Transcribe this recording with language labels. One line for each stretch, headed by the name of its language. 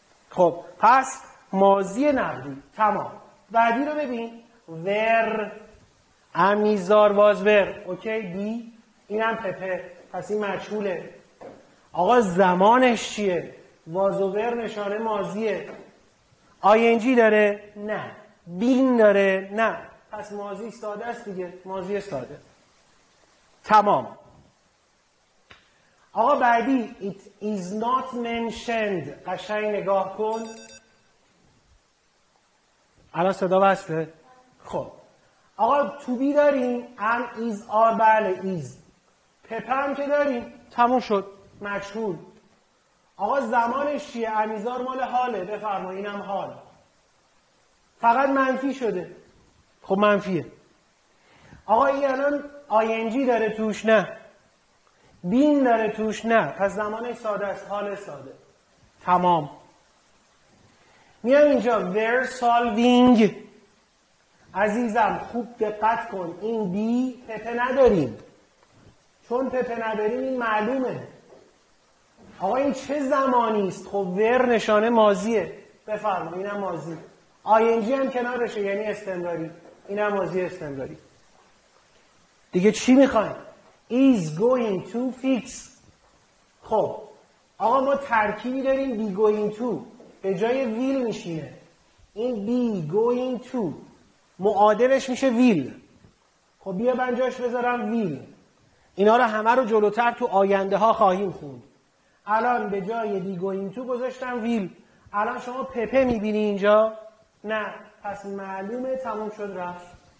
Persian: خب پس ماضی نقلی تمام. بعدی رو ببین، ور، امیزار واز ور، اوکی بی، اینم پپه، پس این مجهوله. آقا زمانش چیه؟ واز و ور نشانه ماضیه. آی ان جی داره؟ نه. بین داره؟ نه. پس ماضی ساده است دیگه، ماضی ساده. تمام.
English: آقا بعدی، it is not mentioned.
Persian: قشنگ نگاه کن، الان صدا بسته. خب آقا to be داریم and is are بله is پپر هم که داریم تموم شد مجهول آقا زمانش چیه امیزار مال حاله بفرمایی اینم حال فقط منفی شده خب منفیه آقا این الان ing داره توش نه بین داره توش نه پس زمانش ساده است حال ساده تمام میام اینجا
English: we're solving
Persian: عزیزم خوب دقت کن این بی پپه نداریم چون پپه نداریم این معلومه آقا این چه زمانی است خب ور نشانه ماضیه بفرمایید اینم ماضی آی ان جی هم کنارشه یعنی استمراری اینم ماضی استمراری دیگه چی میخواین
English: is going to fix
Persian: خب آقا ما ترکیبی داریم be going to به جای will میشینه این be going to معادلش میشه will خب بیا من جاش بذارم will اینا رو همه رو جلوتر تو آینده ها خواهیم خوند الان به جای be going to گذاشتم will الان شما پپه میبینی اینجا نه پس معلومه تموم شد رفت